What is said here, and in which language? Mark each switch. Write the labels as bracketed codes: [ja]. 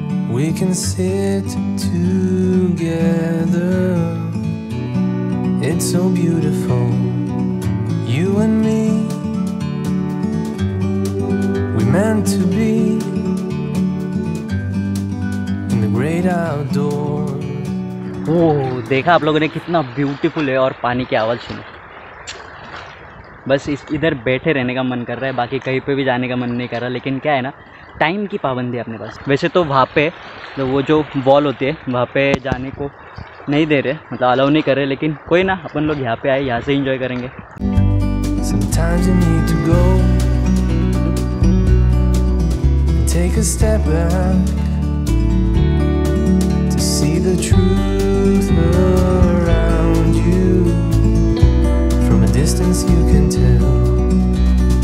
[en] We can sit together. It's so beautiful, you and me. We meant to be in the great outdoors. [hi] ओह, देखा आप लोगों ने कितना beautiful है और पानी की आवाज़ सुनी. बस इस इधर बैठे रहने का मन कर रहा है, बाकी कहीं पे भी जाने का मन नहीं कर रहा. लेकिन क्या है ना, टाइम की पाबंदी अपने पास. वैसे तो वहाँ पे तो वो जो वॉल होती है वहाँ पे जाने को नहीं दे रहे, मतलब अलाउ नहीं कर रहे. लेकिन कोई ना, अपन लोग यहाँ पे आए यहाँ से एंजॉय करेंगे. [en] Sometimes you need to go, take a step back, to see the truth around you. From a distance you can tell.